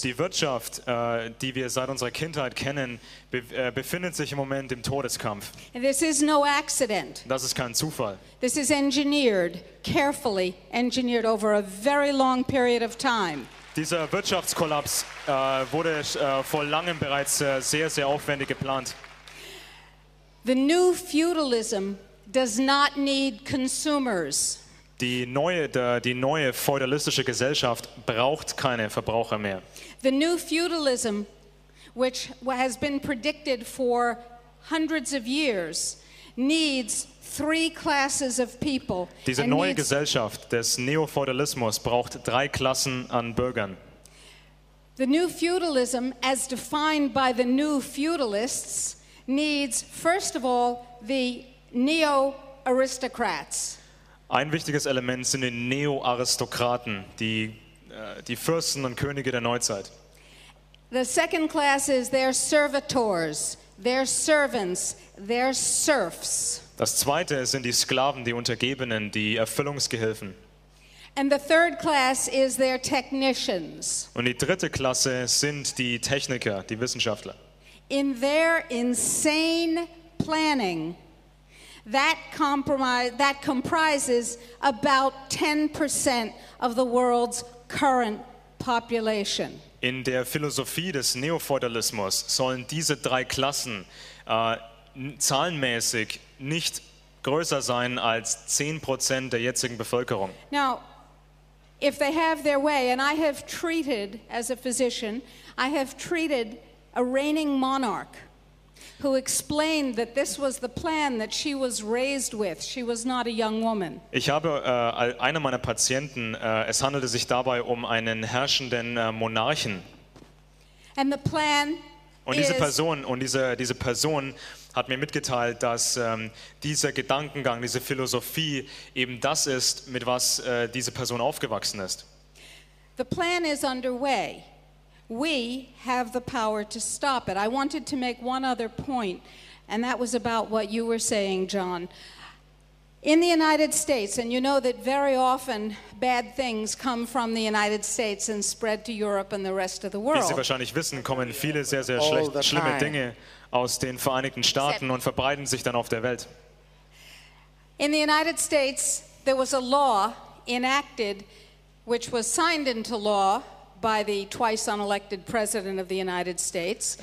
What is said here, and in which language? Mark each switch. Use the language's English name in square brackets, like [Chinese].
[German] Die Wirtschaft, die wir seit unserer Kindheit kennen, befindet sich im Moment im Todeskampf. [English] This is no accident. [German] Das ist kein Zufall. [English] This is engineered, carefully engineered over a very long period of time. [German] Dieser Wirtschaftskollaps wurde vor langem bereits sehr, sehr aufwendig geplant. [English] The new feudalism does not need consumers. [German] Die neue feudalistische Gesellschaft braucht keine Verbraucher mehr. [English] The new feudalism, which has been predicted for hundreds of years, needs three classes of people. [German] Diese neue Gesellschaft des Neofeudalismus braucht drei Klassen an Bürgern. [English] The new feudalism, as defined by the new feudalists, needs first of all the neo-aristocrats. [German] Ein wichtiges Element sind die Neo-Aristokraten, die Fürsten und Könige der Neuzeit. [English] The second class is their servitors, their servants, their serfs. [German] Das zweite sind die Sklaven, die Untergebenen, die Erfüllungsgehilfen. [English] And the third class is their technicians. [German] Und die dritte Klasse sind die Techniker, die Wissenschaftler. [English] In their insane planning, that comprises about 10% of the world's current population. [German] In der Philosophie des Neofeudalismus sollen diese drei Klassen zahlenmäßig nicht größer sein als 10% der jetzigen Bevölkerung. [English] Now, if they have their way, and I have treated, as a physician, I have treated a reigning monarch who explained that this was the plan that she was raised with. She was not a young woman. [German] Ich habe einer meiner Patienten, es handelte sich dabei um einen herrschenden Monarchen. [English] And the plan [German] und diese Person, hat mir mitgeteilt, dass dieser Gedankengang, diese Philosophie eben das ist, mit was diese Person aufgewachsen ist. [English] The plan is underway. We have the power to stop it. I wanted to make one other point, and that was about what you were saying, John. In the United States, and you know that very often bad things come from the United States and spread to Europe and the rest of the world. [German] Wie Sie wahrscheinlich wissen, kommen viele sehr, sehr schlimme Dinge aus den Vereinigten Staaten und verbreiten sich dann auf der Welt. [English] In the United States, there was a law enacted, which was signed into law by the twice unelected president of the United States,